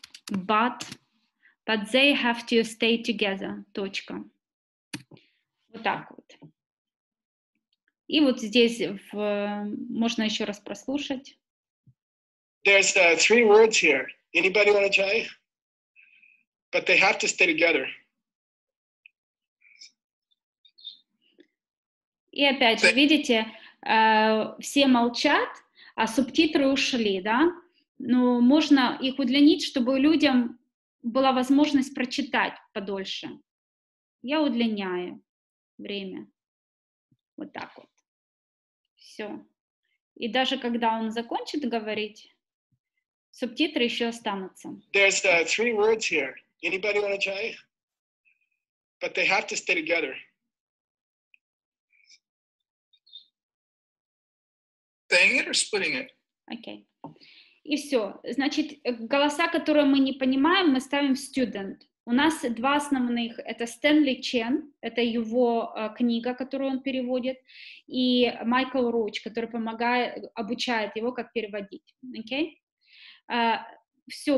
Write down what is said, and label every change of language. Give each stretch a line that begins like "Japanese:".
English: But they have to stay together.
Russian: Точка. Вот так вот. И вот здесь можно еще раз прослушать.
English: There's three words here. Anybody want to try? But they have to stay together.
Russian: И опять же, видите, все молчат, а субтитры ушли, да? Но можно их удлинить, чтобы людям была возможность прочитать подольше. Я удлиняю время. Вот так вот. Все. И даже когда он закончит говорить, субтитры еще останутся.
English: There's three words here. Anybody want to try? But they have to stay together. Saying it or splitting it?
Russian: Okay. И все. Значит, голоса, которые мы не понимаем, мы ставим student. У нас два основных. Это Стэнли Чен, это его книга, которую он переводит, и Майкл Руч, который помогает, обучает его, как переводить. Okay? Все.